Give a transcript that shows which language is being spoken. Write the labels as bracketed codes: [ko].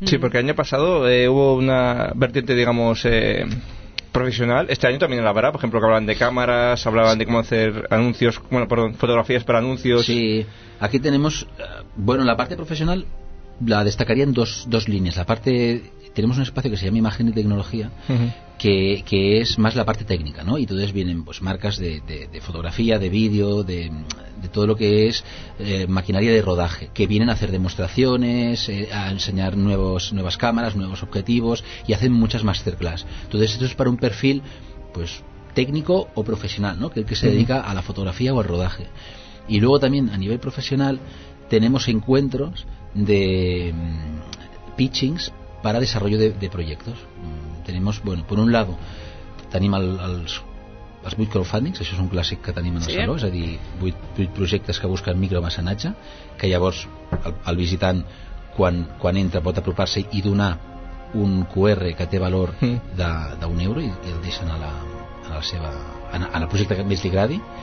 [es] Sí, [ca] perquè l'any passat [es] hubo una vertiente, digamos, profesional. Este año también habrá, por ejemplo, que hablaban de cámaras, hablaban de cómo hacer anuncios, bueno, perdón, fotografías para anuncios. Sí, aquí tenemos, bueno, la parte profesional la destacaría en dos líneas. La parte, tenemos un espacio que se llama Imagen y Tecnología, que es más la parte técnica, ¿no? Y entonces vienen pues marcas de fotografía, de vídeo, de todo lo que es maquinaria de rodaje, que vienen a hacer demostraciones, a enseñar nuevas cámaras, nuevos objetivos, y hacen muchas masterclass. Entonces esto es para un perfil pues técnico o profesional, ¿no? Que se dedica a la fotografía o al rodaje. Y luego también a nivel profesional tenemos encuentros de pitchings para desarrollo de proyectos. Tenemos, bueno, por un lado [ca] tenim els vuit crowdfundings, això és un clàssic que tenim en el saló, és a dir, vuit projectes que busquen micromecenatge, que llavors el visitant quan entra pot apropar-se i donar un QR que té valor d'un euro i el deixen en el projecte que més li agradi.